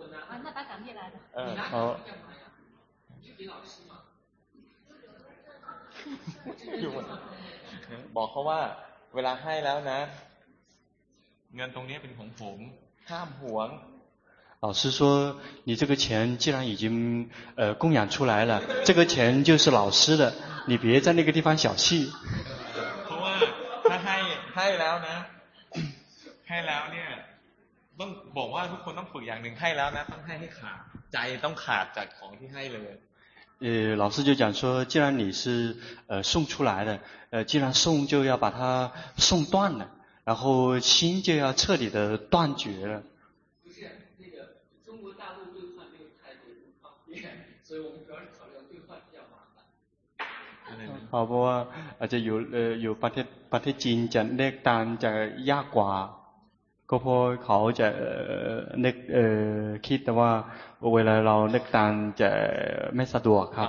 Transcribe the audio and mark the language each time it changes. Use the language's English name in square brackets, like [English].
[Chinese] 啊那把港币来的嗯好你就给老师嘛 [Thai] บอกเขาว่าเวลาให้แล้วนะเงินตรงนี้เป็นของผมห้ามหวง [Chinese] 老师说你这个钱既然已经供养出来了这个钱就是老师的你别在那个地方小气 [Thai] เพราะว่าถ้าให้แล้วนะให้แล้วเนี่ยต้องบอกว่าทุกคนต้องฝึกอย่างหนึ่งให้แล้วนะต้องให้ขาดใจต้องขาดจากของที่ให้เลย [Chinese] 老师就讲说既然你是送出来的既然送就要把它送断了然后心就要彻底的断绝了。不是，那个中国大陆兑换这个态度不方便，所以我们主要是考虑兑换比较麻烦。好，不过而且有 [Thai] ประเทศจีนจะเลขตามจะยากกว่าก็เพราะเขาจะเลขคิดว่าเวลาเราเลขตามจะไม่สะดวกครับ